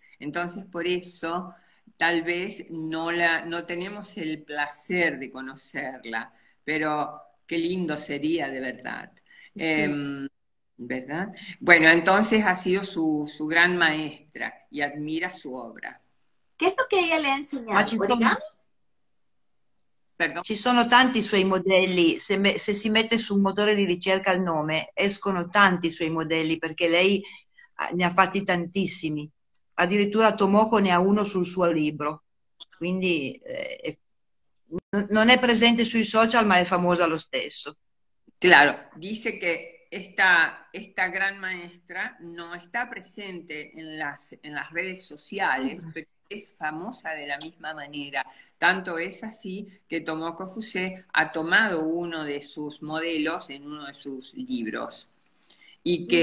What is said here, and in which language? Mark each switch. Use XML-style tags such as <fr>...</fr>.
<es>Entonces, por eso tal vez no tenemos el placer de conocerla, pero qué lindo sería de verdad. Sí. ¿Verdad? Bueno, entonces ha sido su gran maestra y admira su obra. ¿Qué es lo que ella le ha</es> <it>Ma</it> <es>enseñado? ¿Origami? Perdón.</es> <it>ci sono tanti suoi modelli, se si mette su un motore di ricerca il nome, escono tanti suoi modelli perché lei ne ha fatti tantissimi. Addirittura Tomoko ne ha uno sul suo libro, quindi non è presente sui social ma è famosa lo stesso.</it> <es>Claro, dice que esta gran maestra no está presente en las redes sociales, pero es famosa de la misma manera. Tanto es así que Tomoko Fuse ha tomado uno de sus modelos en uno de sus libros y que</es>